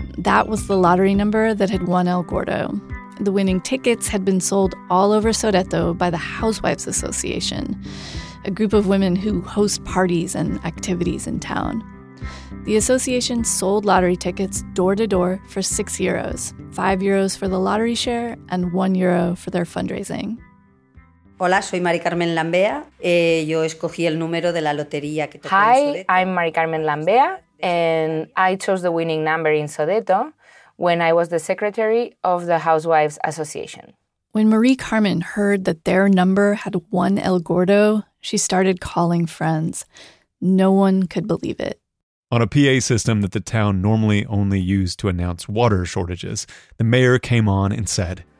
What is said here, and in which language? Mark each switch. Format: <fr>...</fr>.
<en>That was the lottery number that had won El Gordo. The winning tickets had been sold all over Soweto by the Housewives Association, a group of women who host parties and activities in town. The association sold lottery tickets door-to-door for 6 euros, 5 euros for the lottery share and 1 euro for their fundraising.</en> <es>Hola, soy Mari Carmen Lambea. Yo escogí el número de la lotería que tocó en Soweto.</es> <en>Hi, I'm Mari Carmen Lambea, and I chose the winning number in Soweto, when I was the secretary of the Housewives Association. When Marie Carmen heard that their number had won El Gordo, she started calling friends. No one could believe it. On a PA system that the town normally only used to announce water shortages, the mayor came on and said,</en>